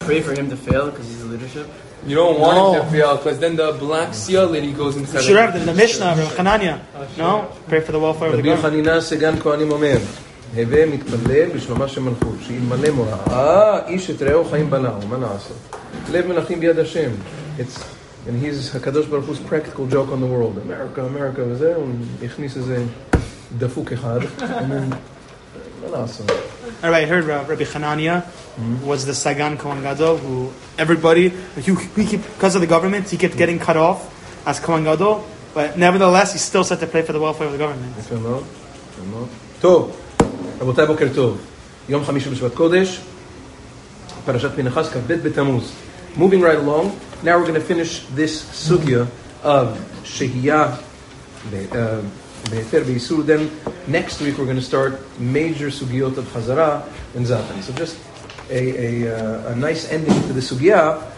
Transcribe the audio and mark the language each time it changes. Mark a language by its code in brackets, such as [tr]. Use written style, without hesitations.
[en] pray for him to fail because he's a leadership? You don't want him to fail because then the black seal lady goes inside. Sure, the Mishnah, Rav Hanania. No? Pray for the welfare of the government. Rabbi Hanina Segan Kohanim Omer. [he] הווה מתפלל בשלומה של מלכות, שאלמלא מורה. איש את ראהו חיים בנאו, מה נעשה? לב מלאכים ביד השם. [en] And he's הקדוש ברוך הוא's practical joke on the world. [he] America, America, וזה, הוא הכניס איזה דפוק אחד. מה נעשה? [en] Rabbi, I heard Rabbi Hanania was the Sagan Kohen Gadol, who everybody, because of the government, he kept getting cut off as Kohen Gadol, but nevertheless, he still set to pray for the welfare of the government. [he] יפה מאוד, יפה מאוד. טוב. רבותיי, בוקר טוב. יום חמישי בשבת קודש, פרשת פנחס, כ"ב בתמוז. [en] Moving right along, now we're going to finish this sugya of [he] שהייה בהיתר באיסור. [en] Then next week we're going to start major sugyot of חזרה and זאתן. So just a nice ending to the sugya.